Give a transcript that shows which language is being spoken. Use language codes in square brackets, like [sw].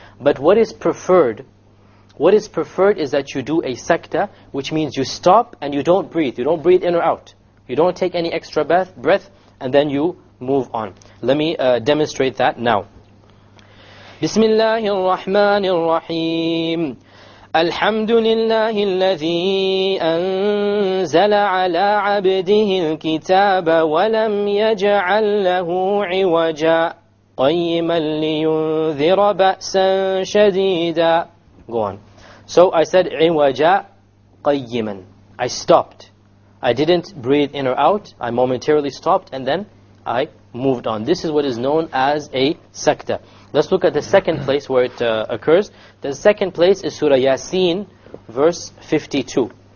[en] But what is preferred is that you do a Saktah, which means you stop and you don't breathe. You don't breathe in or out. You don't take any extra breath and then you move on. Let me demonstrate that now. [ar] Bismillahir Rahmanir Rahim. الحمد لله الذي أنزل على عبده الكتاب ولم يجعل له عوجا قيما لينذر بأسا شديدا. [en] Go on. So I said [ar] عوجا قيما. [en] I stopped. I didn't breathe in or out. I momentarily stopped and then I moved on. This is what is known as a sakta. Let's look at the second place where it occurs. The second place is Surah Ya-Sin, verse 52.